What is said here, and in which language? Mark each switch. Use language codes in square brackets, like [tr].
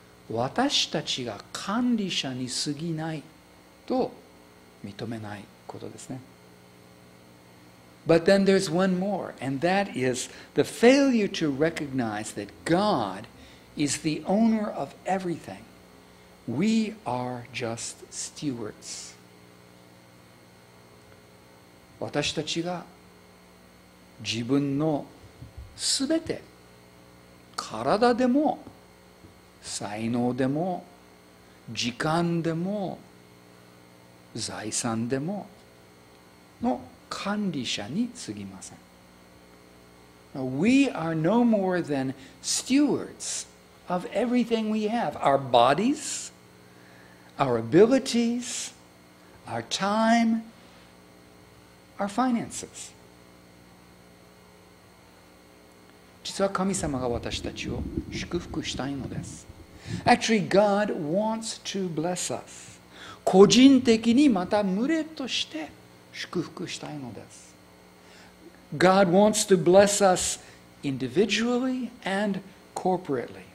[ja] 私たちが管理者に過ぎないと認めないことですね。 [en] But then there's one more, and that is the failure to recognize that God is the owner of everything. We are just stewards. [ja] 私たちが自分のすべて、体でも、才能でも、時間でも、財産でも、の管理者に過ぎません。 [en] Now, we are no more than stewards of everything we have. Our bodies, our abilities, our time, our finances. [ja] 実は神様が私たちを祝福したいのです。 [en] Actually, God wants to bless us. [ja] 個人的にまた群れとして祝福したいのです。 [en] God wants to bless us individually and corporately.